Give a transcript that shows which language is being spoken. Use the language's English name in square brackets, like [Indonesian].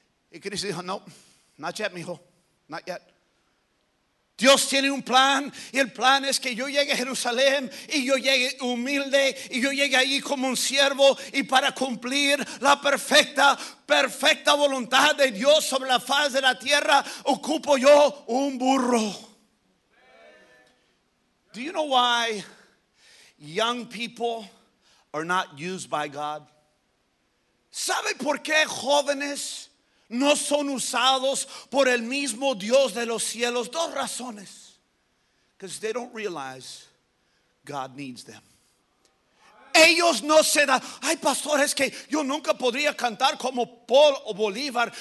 [Spanish] Y Cristo dijo, no, [English] not yet, [Spanish] mijo, not yet. Dios tiene un plan, y el plan es que yo llegue a Jerusalén y yo llegue humilde y yo llegue ahí como un siervo, y para cumplir la perfecta voluntad de Dios sobre la faz de la tierra, ocupo yo un burro. [English] Do you know why young people are not used by God? [Spanish] ¿Sabe por qué jóvenes no son usados por el mismo Dios de los cielos? Dos razones. [English] Because they don't realize God needs them. [Spanish] Ellos no se dan. Ay, pastor, es que yo nunca podría cantar como Paul o Bolívar.